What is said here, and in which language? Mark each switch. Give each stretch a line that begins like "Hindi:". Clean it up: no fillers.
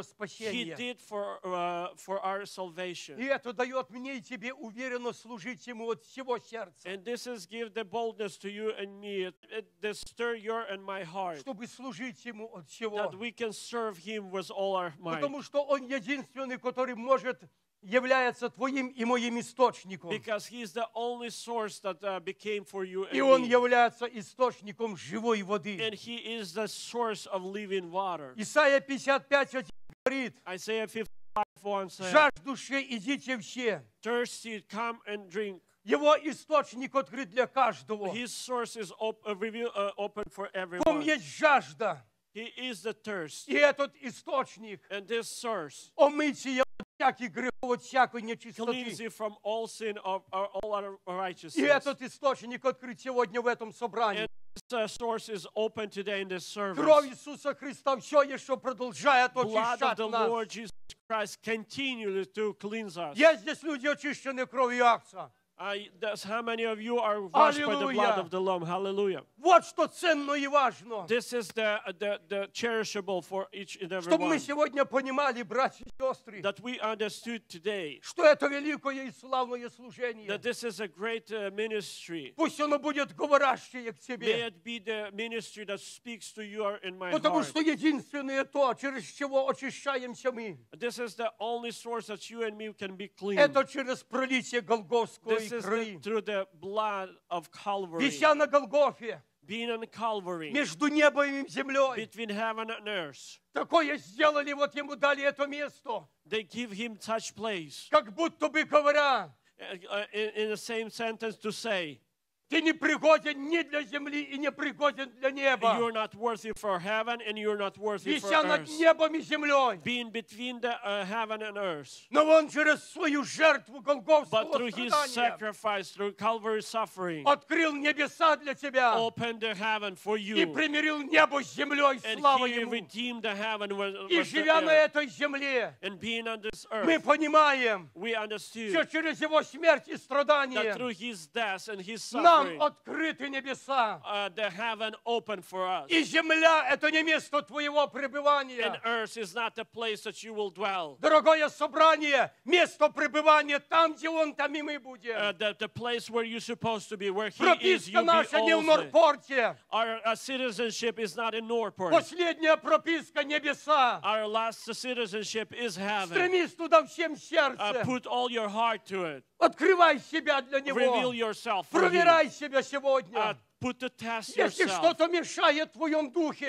English: He did for our salvation. And this is give the boldness to you and me. It stir your and my heart. That we can serve him with all our might.
Russian: Он единственный, который может является твоим и моим источником.
English: Because he is the only source that became for you and me.
Russian: И он является источником живой воды.
English: And he is the source of living water.
Russian: Исайя 55 говорит.
English: Isaiah 55 once says.
Russian: Жаждущие, идите все.
English: Thirsty, come and drink.
Russian: Его источник открыт для каждого.
English: His source is open for everyone.
Russian: В нем есть жажда.
English: He is the thirst.
Russian: И этот источник.
English: And this source.
Russian: Омыть его от всяких грехов, от всякой нечистоты.
English: Cleanse you from all sin of all unrighteousness.
Russian: И этот источник открыт сегодня в этом собрании.
English: Source is open today in this service.
Russian: Кровь Иисуса Христа все еще продолжает очищать нас.
English: Blood of the Lord Jesus Christ continues to cleanse us.
Russian: Есть здесь люди, очищенные кровью Агнца.
English: How many of you are washed by the blood of the Lamb? Hallelujah.
Russian: Вот что ценно и важно.
English: This is the cherishable for each and every one.
Russian: Мы сегодня понимали, братья и сестры,
English: that we understood today,
Russian: что это великое и славное служение.
English: That this is a great ministry.
Russian: Пусть оно будет говорящее к тебе.
English: May it be the ministry that speaks to you or in my
Russian: потому Потому что единственное то, через чего очищаемся мы.
English: This is the only source that you and me can be clean.
Russian: Это через пролитие Голгофского.
English: This is through the blood of Calvary.
Russian: Вися на Голгофе.
English: Being on Calvary.
Russian: Между небом и землей.
English: Between heaven and earth.
Russian: Такое сделали, вот ему дали это место.
English: They give him such place.
Russian: Как будто бы говоря.
English: In the same sentence to say.
Russian: Ты не пригоден ни для земли и не пригоден для неба.
English: You're not worthy for heaven and you're not worthy for earth.
Russian: Вися над небом и землей.
English: Being between the heaven and earth.
Russian: Но он через свою жертву Голгофского страдания.
English: But through his sacrifice, through Calvary's suffering.
Russian: Открыл небеса для тебя.
English: Opened the heaven for you.
Russian: И примирил небо с землей, слава ему.
English: And he redeemed the heaven with the earth.
Russian: И живя на этой земле.
English: And being on this earth.
Russian: Мы понимаем.
English: We understood.
Russian: Что через его смерть и страдания.
English: That through his death and his suffering.
Russian: Нам открыты небеса.
English: The heaven open for us.
Russian: И земля – это не место твоего пребывания.
English: And earth is not the place that you will dwell.
Russian: Дорогое собрание, место пребывания там, где он, там и мы будем.
English: The place where you're supposed to be, where he
Russian: прописка
English: is, you
Russian: наша
English: be
Russian: не в Норпорте.
English: Our citizenship is not in Norport.
Russian: Последняя прописка – небеса.
English: Our last citizenship is heaven.
Russian: Стремись туда всем сердцем.
English: Put all your heart to it.
Russian: Открывай себя для него.
English: Reveal yourself for him.
Russian: Проверяй себя сегодня.
English: Put to test yourself.
Russian: Если что-то мешает в твоем духе.